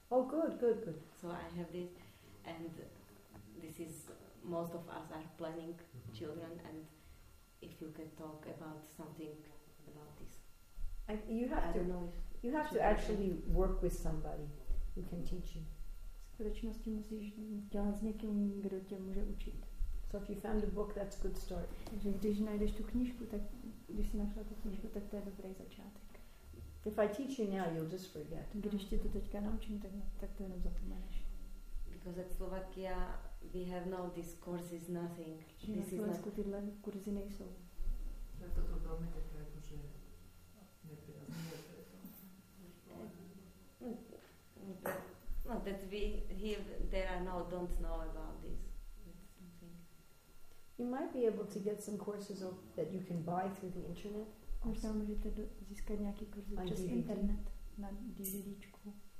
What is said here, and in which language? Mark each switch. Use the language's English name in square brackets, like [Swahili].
[English] Oh, good, good, good. So I have this, and this is most of us are planning children, and if you can talk about something about this. You have to actually work with somebody who can teach you. [Czech] Skutečnosti musíš dělat s někým, kdo tě může učit. [English] So if you found a book, that's a good start. [Czech] Takže když najdeš tu knížku, tak když si našla tu knížku, tak to je dobrý začátek. [English] If I teach you now, you'll just forget. [Czech] Když tě to teďka naučím, tak to jenom zapomeneš. [English] Because at Slovakia, we have no these courses, nothing. [Czech] Na Slovensku tyhle kurzy nejsou. To je velmi také, protože nepřijazný. [English] No, that we here, there are no, don't know about this. You might be able to get some courses that you can buy through the internet. [Czech] Možná můžete získat nějaký kurz přes internet na DVDčku.